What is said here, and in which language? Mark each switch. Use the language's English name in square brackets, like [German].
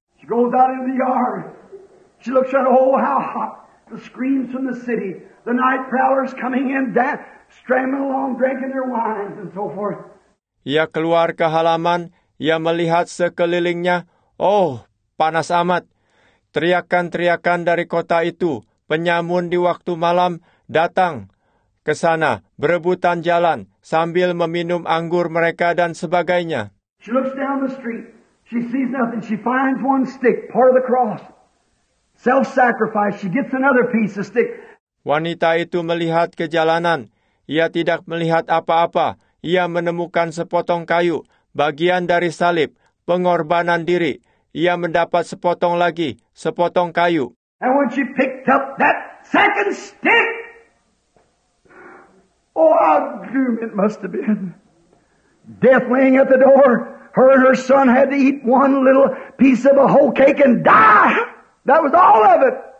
[English] She goes out into the yard. She looks at, oh, how hot. The screams from the city. The night prowlers coming in, stramming along, drinking their wine, and so forth. [Indonesian] Ia keluar ke halaman. Ia melihat sekelilingnya. Oh, panas amat. Teriakan-teriakan dari kota itu. Penyamun di waktu malam datang. ke sana berebutan jalan sambil meminum anggur mereka dan sebagainya. [English] She looks down the street. She sees nothing. She finds one stick, part of the cross. Self-sacrifice. She gets another piece of stick. [Indonesian] Wanita itu melihat ke jalanan. Ia tidak melihat apa-apa. Ia menemukan sepotong kayu, bagian dari salib, pengorbanan diri. Ia mendapat sepotong lagi, sepotong kayu. [English] And when she picked up that second stick, oh, how doom it must have been. Death laying at the door. Her and her son had to eat one little piece of a whole cake and die. That was all of it.